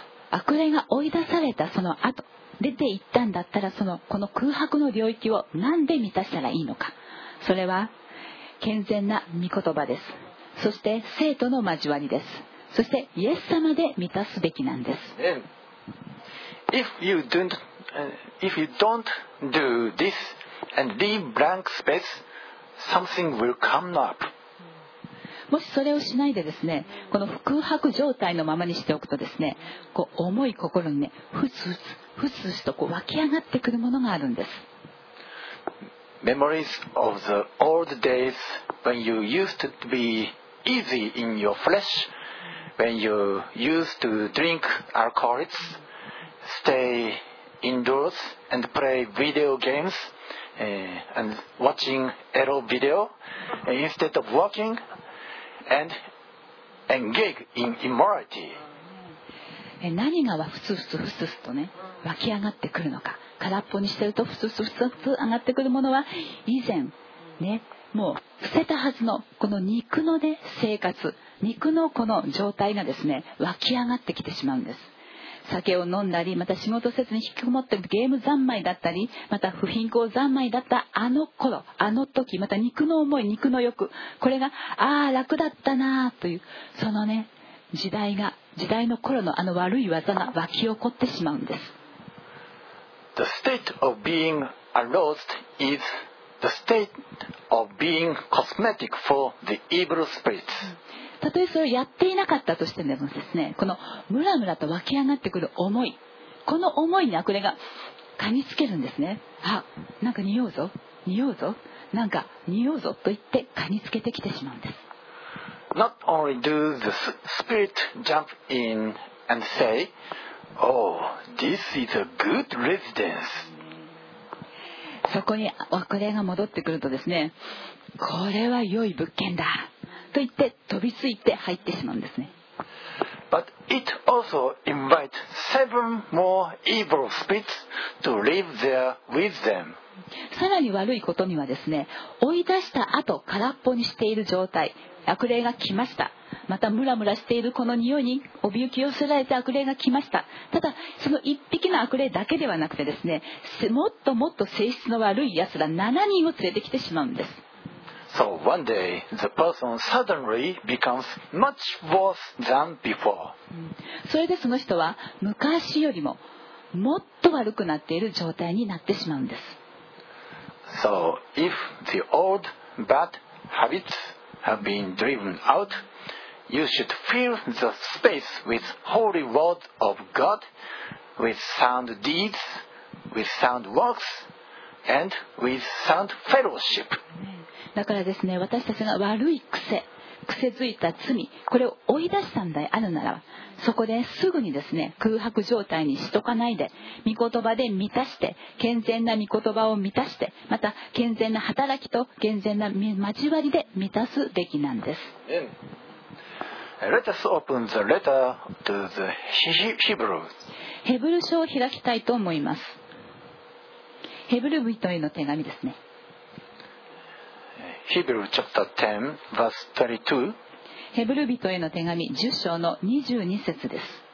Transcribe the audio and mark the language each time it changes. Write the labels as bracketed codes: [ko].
[ja] 悪霊が追い出されたその後、出て行ったんだったら、そのこの空白の領域を何で満たしたらいいのか。それは健全な御言葉です。そして聖徒の交わりです。そしてイエス様で満たすべきなんです。 [en] If you don't do this and leave blank space, something will come up. [ja] もしそれをしないでですね、この空白状態のままにしておくとですね、こう重い心にね、ふつふつふつふつとこう湧き上がってくるものがあるんです。 [en] Memories of the old days when you used to be easy in your flesh, when you used to drink alcohols, stay indoors and play video games, and watching erotic video instead of working and engage in immorality. [ja] 何がふつふつふつふつとね、湧き上がってくるのか。空っぽにしてるとふつふつふつ上がってくるものは以前ね、もう伏せたはずのこの肉のね生活、肉のこの状態がですね湧き上がってきてしまうんです。酒を飲んだり、また仕事せずに引きこもってゲーム三昧だったり、また不貧困三昧だったあの頃、あの時、また肉の思い、肉の欲、これがああ楽だったなというそのね時代の頃のあの悪い技が湧き起こってしまうんです。 [en] The state of being aroused is the state of being cosmetic for the evil spirits. [ja] たとえそれをやっていなかったとしてもですね、このムラムラと湧き上がってくる思い、この思いに悪霊が噛みつけるんですね。あ、なんか匂うぞ、匂うぞ、なんか匂うぞと言って噛みつけてきてしまうんです。 [en] Not only do the spirit jump in and say,Oh, this is a good residence. [ja] そこに悪霊が戻ってくるとですね、これは良い物件だと言って飛びついて入ってしまうんですね。 [en] But it also invites seven more evil spirits to live there with them. [ja] さらに悪いことにはですね、追い出した後空っぽにしている状態、悪霊が来ました、またムラムラしているこの匂いにおびゆきを寄せられて悪霊が来ました。ただその一匹の悪霊だけではなくてですね、もっともっと性質の悪い奴ら7人を連れてきてしまうんです。 [en] So one day the person suddenly becomes much worse than before. [ja] それでその人は昔よりももっと悪くなっている状態になってしまうんです。 [en] So if the old bad habits have been driven out,You should fill the space with holy word of God, with sound deeds, with sound works, and with sound fellowship. [ja] だからですね、私たちが悪い癖、癖づいた罪、これを追い出したんだいあるならば、そこですぐにですね、空白状態にしとかないで、御言葉で満たして、健全な御言葉を満たして、また健全な働きと健全な交わりで満たすべきなんです。 [en] Let us open the letter to the Hebrews. [ja] ヘブル書を開きたいと思います。ヘブル人への手紙ですね。 [en] Hebrew chapter 10, verse 32. [ja] ヘブル人への手紙10章の22節です。